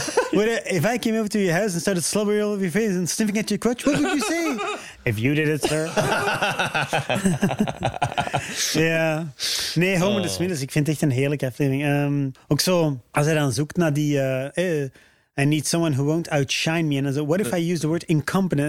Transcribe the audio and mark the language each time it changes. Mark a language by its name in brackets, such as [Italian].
[English] If I came over to your house and started slobbering all over your face and sniffing at your crotch, what would you say? If you did it, sir. [Dutch] Ja. Nee, Homer de Smiddes, ik vind het echt een heerlijke aflevering. Ook zo, als hij dan zoekt naar die... [English] I need someone who won't outshine me. And I said, what if I use the word incompetent?